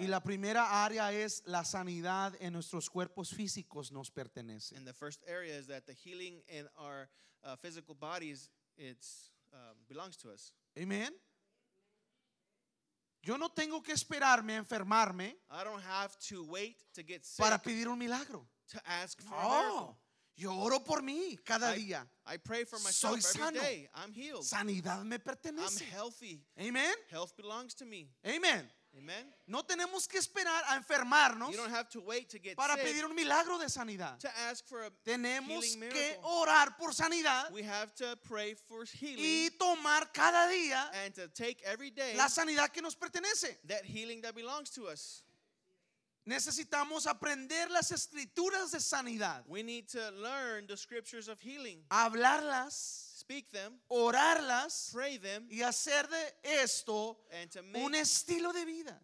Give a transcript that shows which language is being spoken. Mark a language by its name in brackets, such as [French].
[Spanish] Y la primera área es la sanidad en nuestros cuerpos físicos nos pertenece. [English] And the first area is that the healing in our physical bodies belongs to us. Amen. [Spanish] Yo no tengo que esperarme a enfermarme. [English] I don't have to wait to get sick. [Spanish] Para pedir un milagro. [English] To ask for [Spanish] no. Yo oro por mí cada día. [English] I pray for myself. every [Spanish] sano. [English] Day. I'm healed. [Spanish] Sanidad me pertenece. [English] I'm healthy. Amen. Health belongs to me. Amen. Amen. [Spanish] No tenemos que esperar a enfermarnos. [English] You don't have to wait to get [Spanish] para [English] sick [Spanish] pedir un milagro de sanidad. [English] To ask for a [Spanish] tenemos [English] healing [Spanish] que [English] miracle. [Spanish] Orar por sanidad. [English] We have to pray for healing. [Spanish] Y tomar cada día [English] and to take every day [Spanish] la sanidad que nos pertenece. [English] That healing that belongs to us. [Spanish] Necesitamos aprender las escrituras de sanidad. [English] We need to learn the scriptures of healing. [Spanish] Hablarlas. [English] Speak them. [Spanish] Orarlas. [English] Pray them. [Spanish] Y hacer de esto un estilo de vida.